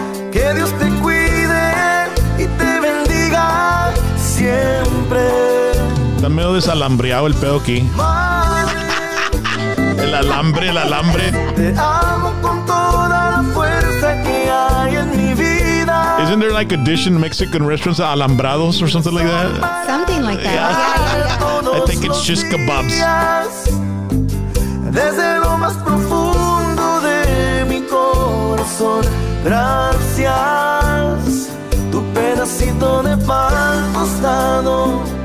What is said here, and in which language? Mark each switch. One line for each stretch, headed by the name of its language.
Spanish: Que Dios te cuide y te bendiga siempre. Está medio desalambreado el pedo aquí. El alambre, el alambre. Te amo con toda la fuerza que hay en mi vida.
English: Isn't there like a dish in Mexican restaurants, alambrados or something like that? Something like that. Yeah. I think it's just kebabs.
Spanish: Desde lo más profundo de mi corazón, gracias. Tu pedacito de pan tostado.